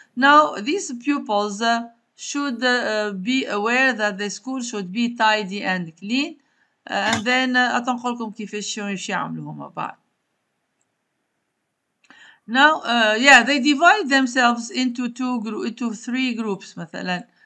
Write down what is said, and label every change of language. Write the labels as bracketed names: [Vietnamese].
[English] Now these pupils should be aware that the school should be tidy and clean. And then [Arabic] أتنقل لكم كيفاش يعملوهم بعد. [English] Now, yeah, they divide themselves into three groups, مثلا.